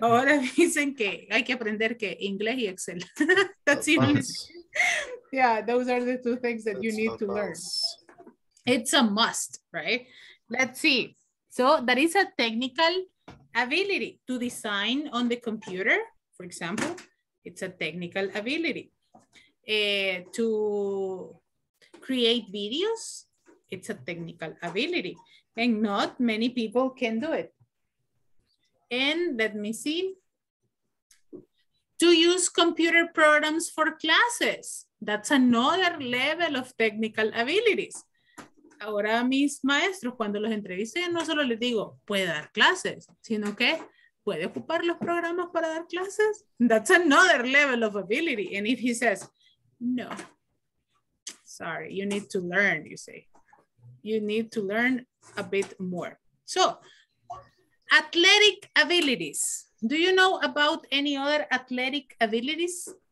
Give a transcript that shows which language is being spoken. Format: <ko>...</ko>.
<es>Ahora dicen que hay que aprender que inglés y Excel.</es> <en>That's advanced. Yeah, those are the two things that you need advanced. To learn. It's a must, right? Let's see. So that is a technical ability to design on the computer, for example. It's a technical ability. To create videos, it's a technical ability. And not many people can do it. And let me see. To use computer programs for classes, that's another level of technical abilities.</en> <es>Ahora mis maestros, cuando los entrevisté, no solo les digo, puede dar clases, sino que puede ocupar los programas para dar clases.</es> <en>That's another level of ability. And if he says, no, sorry, you need to learn, you say. You need to learn a bit more. So, athletic abilities. Do you know about any other athletic abilities?</en>